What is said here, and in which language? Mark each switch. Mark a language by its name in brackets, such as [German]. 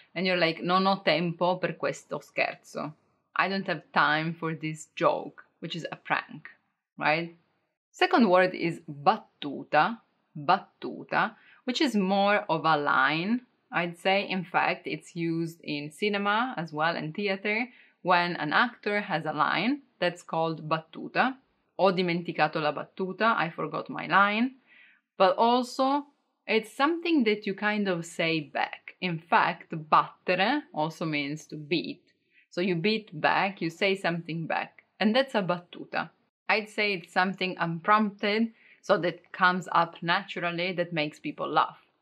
[English] And you're like, [Italian] non ho tempo per questo scherzo. [English] I don't have time for this joke, which is a prank, right? Second word is battuta, battuta, which is more of a line, I'd say. In fact, it's used in cinema as well and theater when an actor has a line that's called battuta. [Italian] Ho dimenticato la battuta, [English] I forgot my line. But also, it's something that you kind of say back. In fact, battere also means to beat. So you beat back, you say something back. And that's a battuta. I'd say it's something unprompted, so that comes up naturally, that makes people laugh.